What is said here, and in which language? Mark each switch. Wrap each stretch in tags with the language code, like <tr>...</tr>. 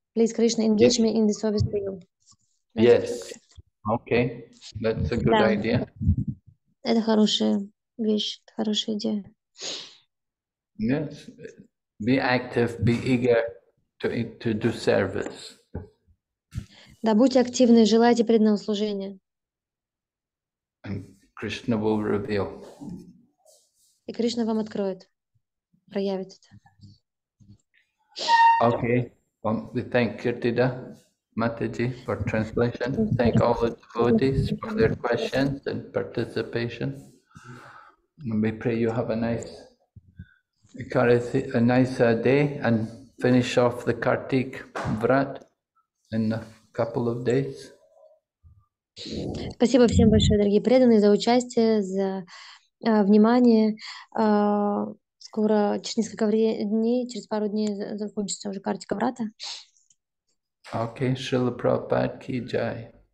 <en>Please, Krishna, engage me in the service for you. Thank yes. You. Okay. That's a good idea.</en> <ru>Это хорошая вещь, хорошая идея.</ru> <en>Yes. Be active, be eager. to do service.</en> <ru>Да, будьте активны, желайте преданного служения.</ru> <en>And Krishna will reveal.</en> <ru>И Кришна вам откроет, проявит это.</ru> <en>Okay, well, we thank Kirtida Mataji for translation. Thank all the devotees for their questions and participation. And we pray you have a nice day and finish off the Kartik Vrat in a couple of days.</en> <ru>Спасибо всем большое, дорогие преданные, за участие, за внимание. Скоро, через несколько дней, через пару дней закончится уже Картика Врата. Окей, Шрила Прабхупад ки джай.</ru>